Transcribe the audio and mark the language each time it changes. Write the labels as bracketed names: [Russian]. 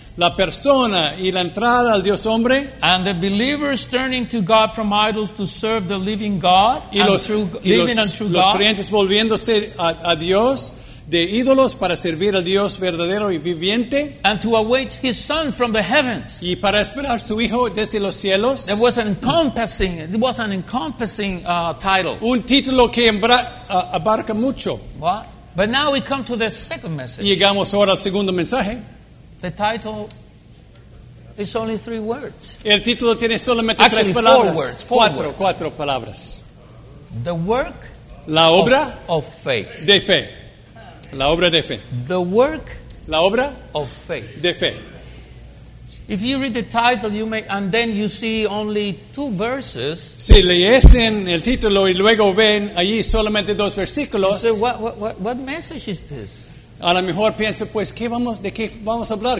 [Spanish] La persona y la entrada al Dios hombre. [English] And the believers turning to God from idols to serve the living God. [Spanish] Y los creyentes volviéndose a Dios de ídolos para servir al Dios verdadero y viviente. [English] And to await his son from the heavens. [Spanish] Y para esperar su hijo desde los cielos. [English] There was an encompassing, title. [Spanish] Un título que abarca mucho. [English] What? But now we come to the second message. [Spanish] Y llegamos ahora al segundo mensaje. [English] The title is only three words. [Spanish] El título tiene solamente [English] actually, [Spanish] tres palabras. Cuatro palabras. [English] The work. [Spanish] La obra. [English] Of faith. [Spanish] De fe. La obra de fe. [English] The work. [Spanish] La obra. [English] Of faith. [Spanish] De fe. [English] If you read the title, you may, and then you see only two verses. [Spanish] Si leyesen el título y luego ven allí solamente dos versículos. [English] So what message is this? [Spanish] A lo mejor pienso, pues, ¿de qué vamos a hablar?